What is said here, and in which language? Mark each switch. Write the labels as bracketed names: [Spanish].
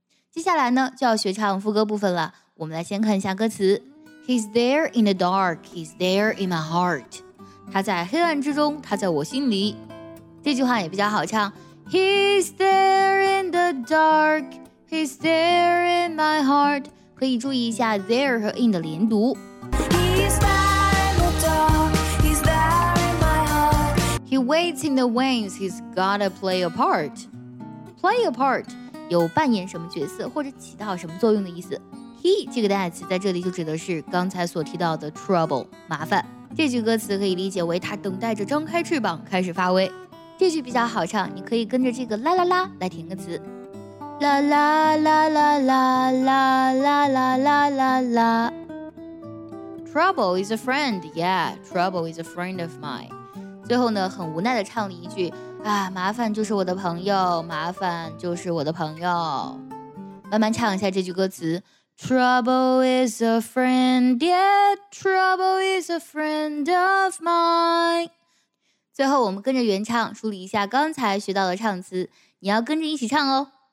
[Chinese] 接下来呢就要学唱副歌部分了，我们来先看一下歌词。 [English] He's there in the dark, he's there in my heart. [Chinese] 他在黑暗之中，他在我心里。这句话也比较好唱。 [English] He's there in the dark, he's there in my heart. [Chinese] 可以注意一下 there 和 in 的连读。 [English] He's there in the dark, he's there in my heart. He waits in the wings, he's gotta play a part. Play a part. [Chinese] 有扮演什么角色或者起到什么作用的意思。He 这个代词在这里就指的是刚才所提到的 trouble 麻烦。这句歌词可以理解为他等待着张开翅膀开始发威。这句比较好唱，你可以跟着这个啦啦啦来填个词。啦啦啦啦啦啦啦啦啦啦啦。 [English] Trouble is a friend, yeah, trouble is a friend of mine. [Chinese] 最后呢很无奈地唱了一句啊，麻烦就是我的朋友，麻烦就是我的朋友。慢慢唱一下这句歌词 ： [English] Trouble is a friend, yeah, trouble is a friend of mine。 [Chinese] 最后，我们跟着原唱梳理一下刚才学到的唱词，你要跟着一起唱哦。